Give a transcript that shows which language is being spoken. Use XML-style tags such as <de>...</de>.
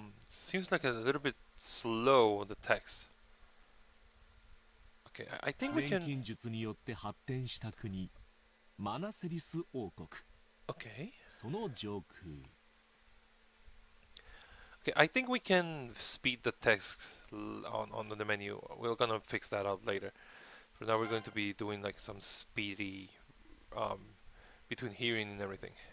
<en>Seems like a little bit slow on the text. Okay, I think we can.</en> <ja>錬金術によって発展した国、マナセリス王国。 Okay. その上空。</ja> <en>Okay, I think we can speed the text on the menu. We're gonna fix that up later. For now, we're going to be doing like some speedy between hearing and everything.</en>